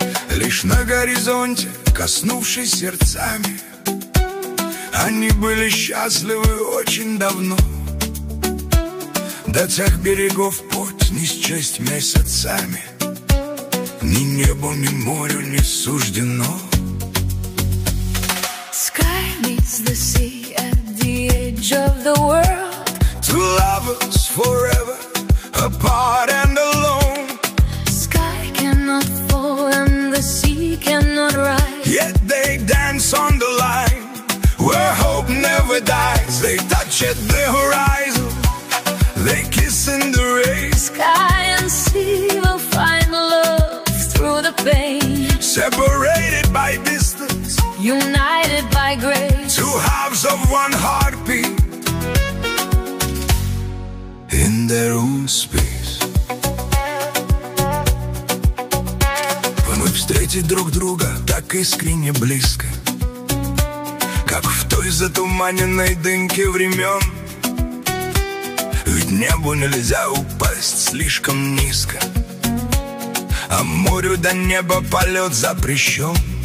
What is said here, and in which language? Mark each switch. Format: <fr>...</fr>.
<ru>Лишь на горизонте, коснувшись сердцами, они были счастливы очень давно. До тех берегов путь не счесть месяцами, ни небу, ни морю не суждено.</ru> <en>Sky meets the sea at the edge of the world. Two lovers forever, apart and alone. Sky cannot fall and the sea cannot rise. Yet they dance on the line where hope never dies. They touch at the horizon, they kiss in the rain. Sky and sea will find love through the pain. Separated by distance, united by grace. Two halves of one heartbeat in their own space.</en> <ru>Мы встретить друг друга так искренне близко, как в той затуманенной дымке времен. Ведь небу нельзя упасть слишком низко, а морю до неба полет запрещен.</ru>